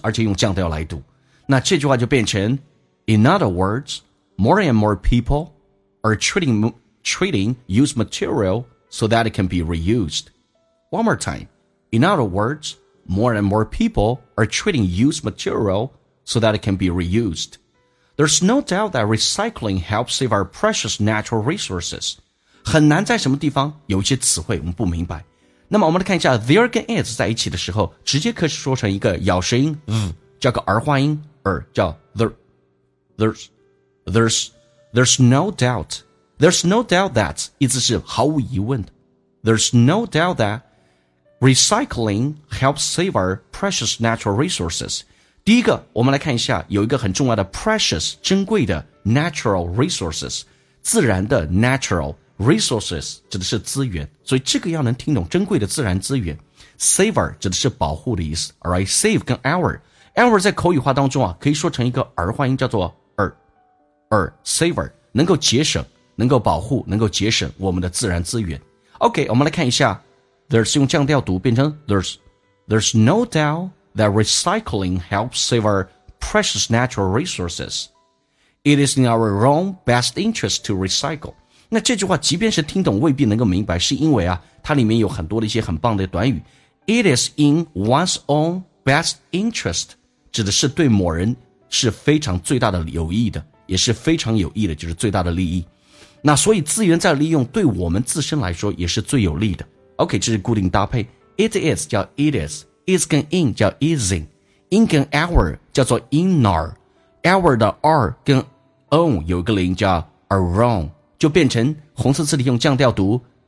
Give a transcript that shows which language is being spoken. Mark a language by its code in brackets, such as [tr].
[zh] 而且用降调来读，那这句话就变成 [en] In other words, more and more people are treating used material so that it can be reused. One more time. In other words, more and more people are treating used material so that it can be reused. There's no doubt that recycling helps save our precious natural resources. [zh] 很难在什么地方有一些词汇我们不明白。那么我们来看一下 there 跟 is 在一起的时候直接可以说成一个咬舌音 v 叫个儿化音而叫 [en] There's no doubt that [zh] 意思是毫无疑问的 [en] There's no doubt that recycling helps save our precious natural resources [zh] 第一个我们来看一下有一个很重要的 precious 珍贵的 natural resources 自然的 naturalResources 指的是资源，所以这个要能听懂珍贵的自然资源。 Saver 指的是保护的意思 ，alright? Save 跟 our 在口语化当中啊，可以说成一个儿化音，叫做儿 saver 能够节省，能够保护，能够节省我们的自然资源。 OK， 我们来看一下 ，there's 用降调读变成 there's [en] no doubt that recycling helps save our precious natural resources. It is in our own best interest to recycle. [zh] 那这句话即便是听懂未必能够明白是因为啊它里面有很多的一些很棒的短语 [en] It is in one's own best interest [zh] 指的是对某人是非常最大的有益的也是非常有益的就是最大的利益那所以资源再利用对我们自身来说也是最有利的 OK 这是固定搭配 It is 叫 it is is 跟 in 叫 is in in 跟 our 叫做 inner our 的 r 跟 own 有一个零叫 around就变成红色字体用降调读